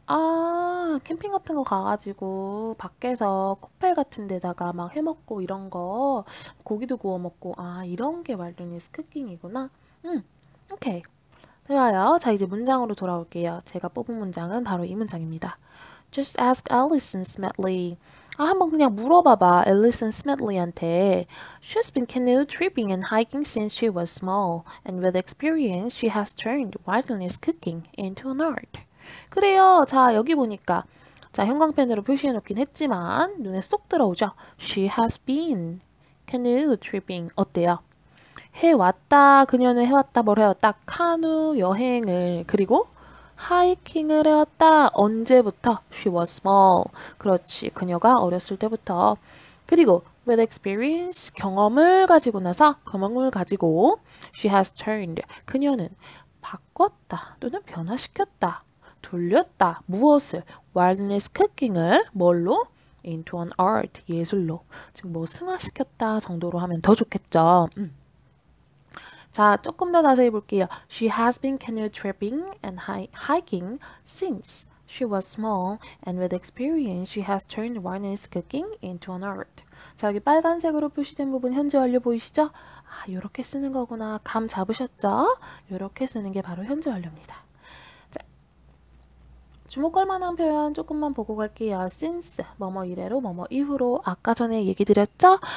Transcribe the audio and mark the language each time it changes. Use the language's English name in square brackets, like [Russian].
[Korean] 아, 캠핑 같은 거 가가지고 밖에서 코펠 같은 데다가 막 해먹고 이런 거 고기도 구워 먹고 아 이런 게 wilderness cooking이구나. 오케이. 좋아요. 자 이제 문장으로 돌아올게요. 제가 뽑은 문장은 바로 이 문장입니다. [English] Just ask Allison Smedley. [Korean] 아 한번 그냥 물어봐봐. [English] Allison Smedley한테 She's been canoe tripping and hiking since she was small, and with experience, she has turned wilderness cooking into an art. [Korean] 그래요. 자, 여기 보니까. 자, 형광펜으로 표시해 놓긴 했지만, 눈에 쏙 들어오죠? [English] She has been canoe tripping. [Korean] 어때요? 해왔다. 그녀는 해왔다. 뭘 해왔다? 카누 여행을. 그리고 하이킹을 해왔다. 언제부터? [English] She was small. [Korean] 그렇지. 그녀가 어렸을 때부터. 그리고 [English] with experience. [Korean] 경험을 가지고 나서, 경험을 가지고. [English] She has turned. [Korean] 그녀는 바꿨다. 또는 변화시켰다. 돌렸다. 무엇을? Wilderness cooking을 뭘로? [English] Into an art. [Korean] 예술로. 지금 뭐 승화시켰다 정도로 하면 더 좋겠죠. 자, 조금 더 자세히 볼게요. [English] She has been canoe tripping and hiking since she was small, and with experience, she has turned wilderness cooking into an art. [Korean] 자, 여기 빨간색으로 표시된 부분 현재 완료 보이시죠? 아, 요렇게 쓰는 거구나. 감 잡으셨죠? 요렇게 쓰는 게 바로 현재 완료입니다. 주목할 만한 표현 조금만 보고 갈게요. Since, 뭐뭐 이래로, 뭐뭐 이후로, 아까 전에 얘기 드렸죠?